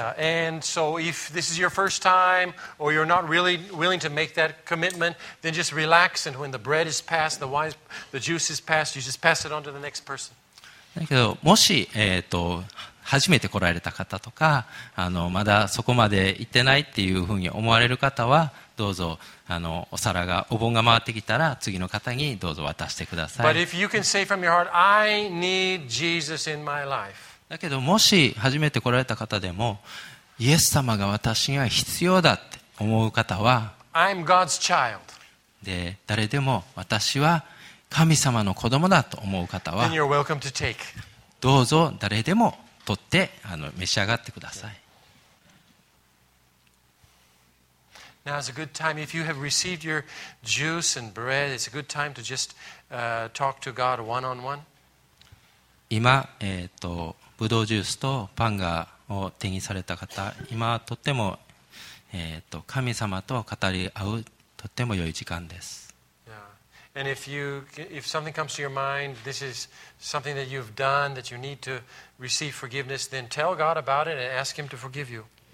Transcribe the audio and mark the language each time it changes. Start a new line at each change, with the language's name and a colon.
English: Yeah, and so if this is your first time or you're not really willing to make that commitment, then just relax and when the bread is passed, the wine, the juice is passed, you just pass it on to the next person.
Japanese: だけどもし初めて来られた方とかまだそこまで行ってないっていうふうに思われる方はどうぞお皿がお盆が回ってきたら次の方にどうぞ渡してください。
English: But if you can say from your heart, I need Jesus in my life.
Japanese: だけどもし初めて来られた方でもイエス様が私には必要だって思う方は
English: I'm God's child.
Japanese: で誰でも私は神様の子供だと思う方は
English: Then you're welcome to take.
Japanese: どうぞ誰でも取って召し上がってください。
English: Now is a good time if you have received your juice and bread, it's a good time to just talk to God one on one.
Japanese: 今、ブドウジュースとパンを手にされた方、今とっても神様と語り合うとっても良い時間です。
English: And if you, if something comes to your mind, this is something that you've done that you need to receive forgiveness, then tell God about it and ask Him to forgive you.